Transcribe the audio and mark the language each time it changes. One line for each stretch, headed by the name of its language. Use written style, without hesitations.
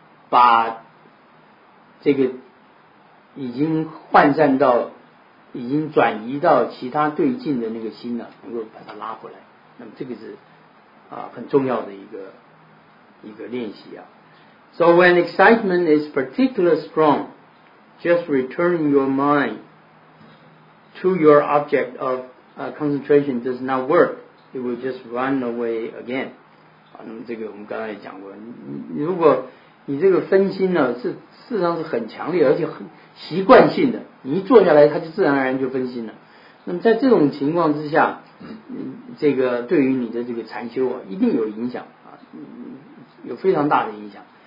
Chinese: 把这个已经涣散到已经转移到其他对境的那个心呢，能够把它拉回来，那么这个是很重要的一个练习啊。
English: So when excitement is particularly strong, just return your mind to your object of concentration does not work. It will just run away again.
Chinese: 啊，那么这个我们刚才也讲过，如果你这个分心呢，事实上是很强烈，而且很习惯性的，你一坐下来，它就自然而然就分心了。那么在这种情况之下，这个对于你的这个禅修啊，一定有影响啊，有非常大的影响。